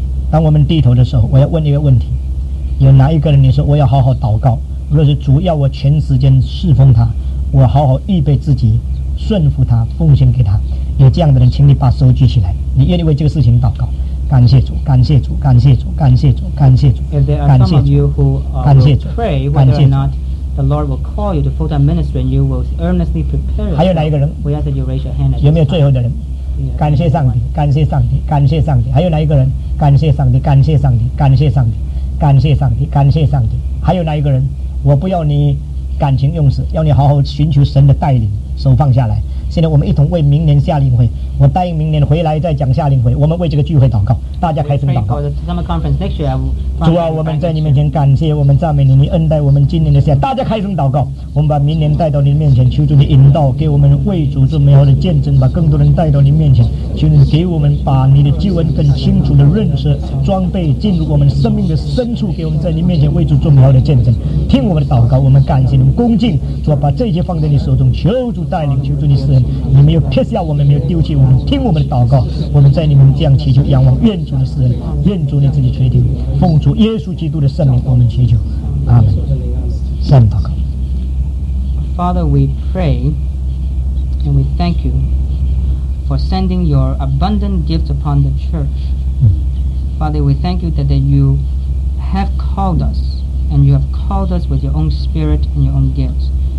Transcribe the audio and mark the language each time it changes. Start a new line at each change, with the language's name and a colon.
Chinese: 当我们低头的时候，我要问一个问题，有哪一个人你说我要好好祷告，若是主要我全时间侍奉他，我好好预备自己顺服他，奉献给他，有这样的人请你把手举起来。你愿意为这个事情祷告？感谢主，感谢主，感谢主，感谢主，感谢主。
English: If there are some of you who pray whether or not the Lord will call you to full-time ministry, and you will earnestly prepare.
Chinese: 还有哪一个人？
English: We ask that you raise your hand.
Chinese: 有没有最后的人？感谢上帝，感谢上帝，感谢上帝。还有哪一个人？感谢上帝，感谢上帝，感谢上帝，感谢上帝，感谢上帝。还有哪一个人？我不要你感情用事，要你好好寻求神的带领，手放下来。现在我们一同为明年夏令会，我答应明年回来再讲夏令会，我们为这个聚会祷告，大家开始祷告。主啊，我们在你面前感谢，我们赞美你，你恩待我们今年的夏，大家开始祷告。我们把明年带到你面前，求主你引导，给我们为主做美好的见证，把更多人带到你面前，求你给我们把你的救恩更清楚的认识，装备进入我们生命的深处，给我们在你面前为主做美好的见证。听我们的祷告，我们感谢你们恭敬。主啊，把这些放在你手中，求主带领，求主你使人，你没有撇下我们，没有丢弃我们。听我们的祷告，我们在你们这样祈求仰望，愿主的施恩，愿主你自己垂听，奉主耶稣基督的圣名我们祈求，阿们。圣祷告。
English: Father, we pray and we thank you for sending your abundant gifts upon the church. Father, we thank you that you have called us and you have called us with your own spirit and your own gifts.